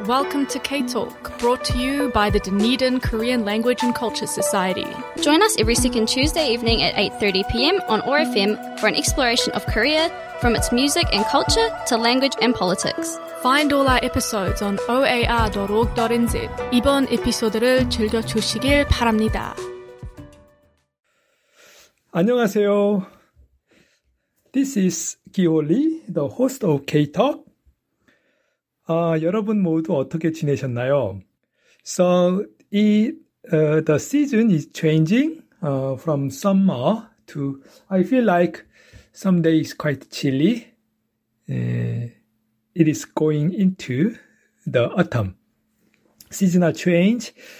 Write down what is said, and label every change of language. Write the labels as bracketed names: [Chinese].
[English] Welcome to K-Talk, brought to you by the Dunedin Korean Language and Culture Society. Join us every second Tuesday evening at 8:30 p.m. on ORFM for an exploration of Korea, from its music and culture to language and politics. Find all our episodes on oar.org.nz. [Korean] 이번 에피소드를 즐겨주시길 바랍니다. 안녕하세요. [English] This is Gio Lee, the host of K-Talk. [Korean] 아, 여러분 모두 어떻게 지내셨나요? [English] So, the season is changing from summer to, I feel like some day is quite chilly. It is going into the autumn. Seasonal change.